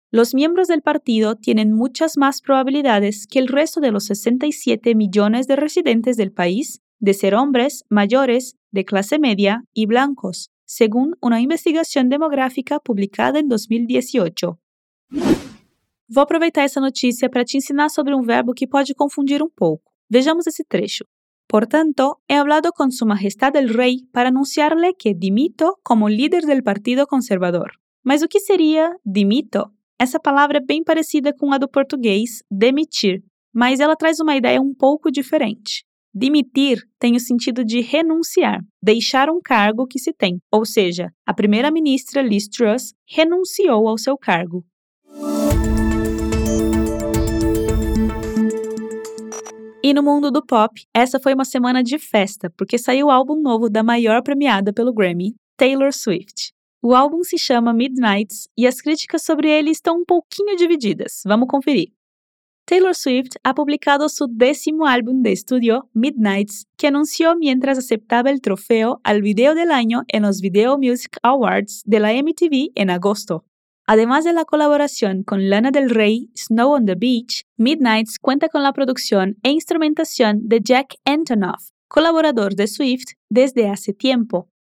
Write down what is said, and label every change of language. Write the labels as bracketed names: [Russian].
[Spanish] Los miembros del partido tienen muchas más probabilidades que el resto de los 67 millones de residentes del país de ser hombres, mayores, de clase media y blancos, según una investigación demográfica publicada en 2018. [Portuguese] Vou aproveitar essa notícia para te ensinar sobre um verbo que pode confundir um pouco. Vejamos esse trecho. Portanto, [Spanish] he hablado con Su Majestad el Rey para anunciarle que dimito como líder del Partido Conservador. [Portuguese] Mas o que seria dimito? Essa palavra é bem parecida com a do português, demitir, mas ela traz uma ideia um pouco diferente. Dimitir tem o sentido de renunciar, deixar um cargo que se tem. Ou seja, a primeira-ministra Liz Truss renunciou ao seu cargo. E no mundo do pop, essa foi uma semana de festa, porque saiu o álbum novo da maior premiada pelo Grammy, Taylor Swift. O álbum se chama Midnights e as críticas sobre ele estão um pouquinho divididas. Vamos conferir. [Spanish] Taylor Swift ha publicado su décimo álbum de estudio, Midnights, que anunció mientras aceptaba el trofeo al video del año en los Video Music Awards de la MTV en agosto. Además de la colaboración con Lana Del Rey, Snow on the Beach, Midnights cuenta con la producción e instrumentación de Jack Antonoff, colaborador de Swift desde hace tiempo.